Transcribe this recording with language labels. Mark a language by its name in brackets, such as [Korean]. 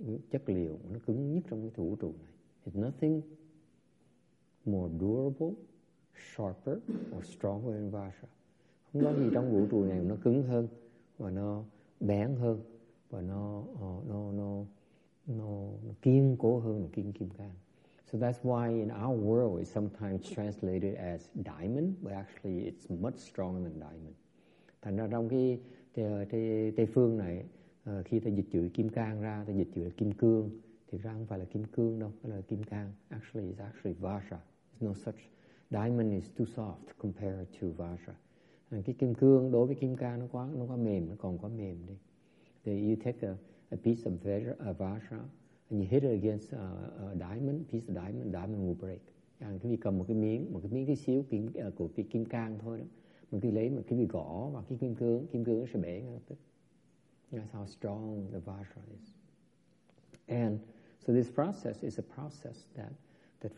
[Vietnamese] Chất liệu nó cứng nhất trong cái vũ trụ này. [English] It's nothing more durable, sharper or stronger than Vajra. [Vietnamese] Không có gì trong vũ trụ này nó cứng hơn và nó bén hơn và nó kiên cố hơn là kim cang. [English] So that's why in our world it's sometimes translated as diamond, but actually it's much stronger than diamond. [Vietnamese] Thành ra trong cái Tây phương này, khi ta dịch chữ kim cang ra, ta dịch chữ là kim cương, thì ra không phải là kim cương đâu, đó là kim cang. [English] Actually, it's actually Vajra. It's no such. Diamond is too soft compared to Vajra. [Vietnamese] Cái kim cương đối với kim cang nó quá mềm, nó còn quá mềm đi. [English] Thì you take a piece of Vajra and you hit it against a diamond, piece of diamond, diamond will break. [Vietnamese] Cái vị cầm một cái miếng tí xíu của cái kim cang thôi đó, mình cứ lấy một cái vị gõ vào cái kim cương nó sẽ bể ngay lập tức. [English] That's how strong the Vajra is. And so this process is a process that